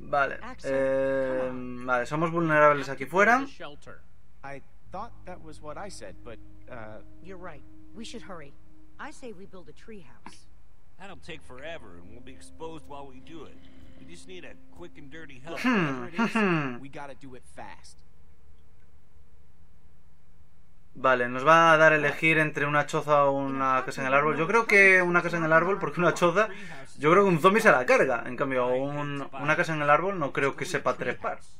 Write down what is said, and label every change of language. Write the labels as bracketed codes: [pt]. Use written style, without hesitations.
[es] Vale, vale, somos vulnerables aquí fuera. [en] I thought that was what I said, but you're right. We should hurry. I say we build a treehouse. That'll take forever, and we'll be exposed while we do it. We just need a quick and dirty help. We gotta do it fast. [es] Vale, nos va a dar a elegir entre una choza o una casa en el árbol. Yo creo que una casa en el árbol, porque una choza... Yo creo que un zombie se la carga. En cambio, una casa en el árbol no creo que sepa trepar.